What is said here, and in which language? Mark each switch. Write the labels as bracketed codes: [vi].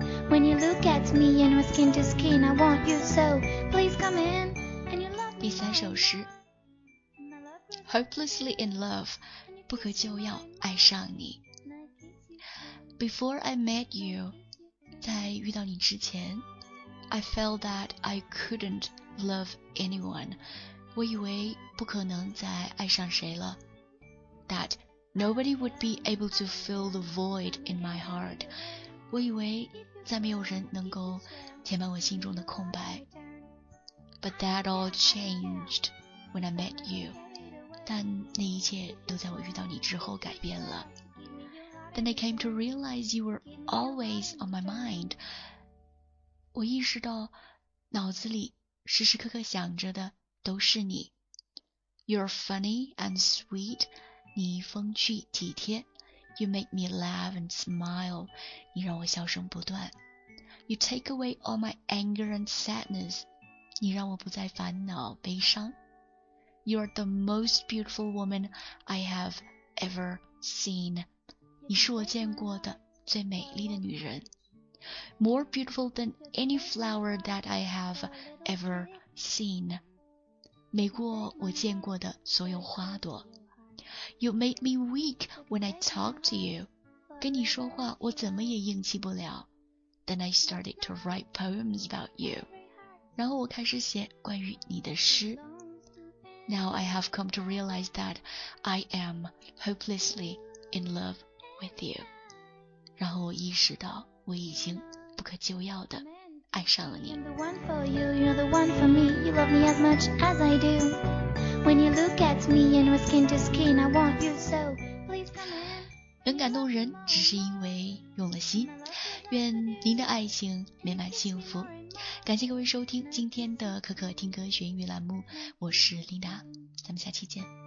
[en] When you look at me and we're skin to skin, I want you so. Please come in and you love me. [zh] 第三首诗 ， [en] Hopelessly in love, [zh] 不可救药爱上你。 [en] Before I met you, [zh] 在遇到你之前 [en] ，I felt that I couldn't love anyone. [zh] 我以为不可能再爱上谁了。 [en] That. Nobody would be able to fill the void in my heart. [zh] 我以为再没有人能够填满我心中的空白。 [en] But that all changed when I met you. [zh] 但那一切都在我遇到你之后改变了。 [en] Then I came to realize you were always on my mind. [zh] 我意识到脑子里时时刻刻想着的都是你。 [en] You're funny and sweet. [zh] 你风趣体贴 [en] ，You make me laugh and smile. [zh] 你让我笑声不断。 [en] You take away all my anger and sadness. [zh] 你让我不再烦恼悲伤。 [en] You are the most beautiful woman I have ever seen. [zh] 你是我见过的最美丽的女人。 [en] More beautiful than any flower that I have ever seen. [zh] 美过我见过的所有花朵。 [en] You made me weak when I talked to you. [zh] 跟你说话我怎么也硬气不了。 [en] Then I started to write poems about you. [zh] 然后我开始写关于你的诗。 [en] Now I have come to realize that I am hopelessly in love with you. [zh] 然后我意识到我已经不可救药的爱上了你。 [en] You're the one for you, you're the one for me. You love me as much as I do. When you look at me and we're skin to skin, I want you so. Please come in. [zh] 能感动人，只是因为用了心。愿您的爱情美满幸福。感谢各位收听今天的可可听歌学英语栏目，我是琳达，咱们下期见。